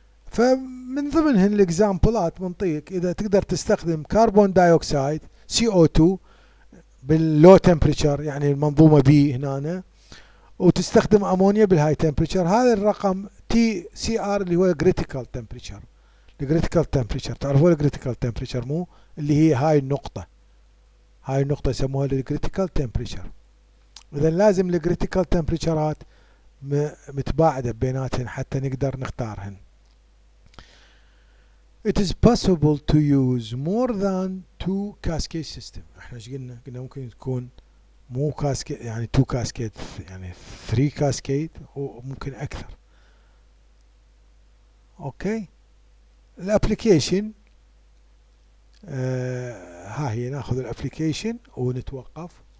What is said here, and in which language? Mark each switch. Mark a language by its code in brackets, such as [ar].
[ar] فمن ضمنهن الاكزامبلات منطيك اذا تقدر تستخدم كربون دايوكسيد CO2 باللو تمبريتشر يعني المنظومه بي هنا، وتستخدم امونيا بالهاي تمبريتشر، هذا الرقم TCR اللي هو كريتيكال تمبريتشر، الكريتيكال تمبريتشر تعرفوا الكريتيكال تمبريتشر مو اللي هي هاي النقطه، هاي النقطة يسموها الكريتيكال تمبريتشر. اذا لازم الكريتيكال تمبريتشرات متباعدة بيناتهن حتى نقدر نختارهن. [en] It is possible to use more than two cascade system. [ar] احنا ايش قلنا؟ قلنا ممكن تكون مو كاسكيد يعني two cascade يعني three cascade وممكن اكثر. اوكي؟ الابليكيشن ها هي، ناخذ الابلكيشن ونتوقف.